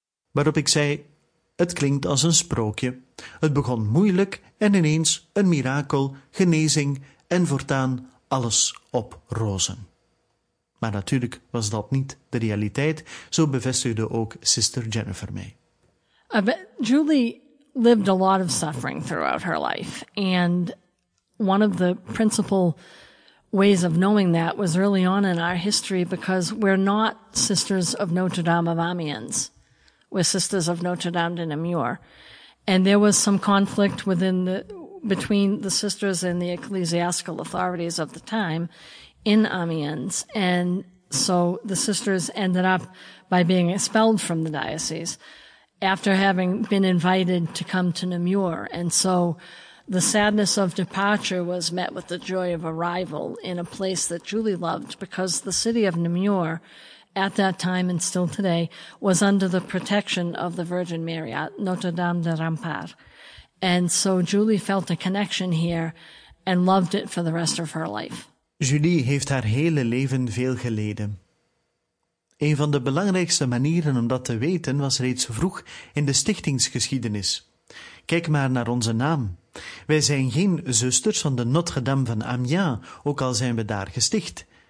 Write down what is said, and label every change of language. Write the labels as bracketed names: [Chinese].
[Dutch] Waarop ik zei, het klinkt als een sprookje. Het begon moeilijk en ineens een mirakel, genezing en voortaan alles op rozen. Maar natuurlijk was dat niet de realiteit, zo bevestigde ook Sister Jennifer mij. [English] Julie lived a lot of suffering throughout her life. And one of the principal ways of knowing that was early on in our history, because we're not sisters of Notre Dame of Amiens. We're sisters of Notre Dame de Namur. And there was some conflict between the sisters and the ecclesiastical authorities of the time in Amiens. And so the sisters ended up by being expelled from the diocese after having been invited to come to Namur. And so the sadness of departure was met with the joy of arrival in a place that Julie loved, because the city of Namur at that time and still today was under the protection of the Virgin Mary at Notre Dame de Rampart. And so Julie felt a connection here and loved it for the rest of her life. [Dutch] Julie heeft haar hele leven veel geleden. Een van de belangrijkste manieren om dat te weten was reeds vroeg in de stichtingsgeschiedenis. Kijk maar naar onze naam. Wij zijn geen zusters van de Notre-Dame van Amiens, ook al zijn we daar gesticht.